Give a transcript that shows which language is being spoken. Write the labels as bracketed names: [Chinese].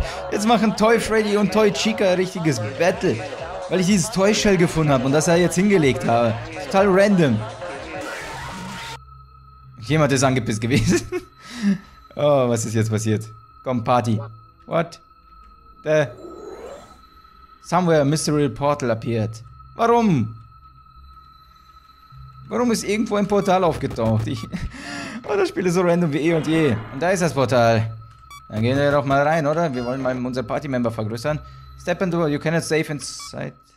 [German] Jetzt machen Toy Freddy und Toy Chica ein richtiges Battle, weil ich dieses Toy Shell gefunden habe und das er jetzt hingelegt habe. Total random. Jemand ist angepisst gewesen. Oh, was ist jetzt passiert? Komm, Party. [English] What? The... Somewhere a mystery portal appeared. [German] Warum? Warum ist irgendwo ein Portal aufgetaucht? Oh, das Spiel ist so random wie eh und je. Und da ist das Portal. Dann gehen wir doch mal rein, oder? Wir wollen mal unser Party-Member vergrößern. [English] Step into the... You cannot save inside.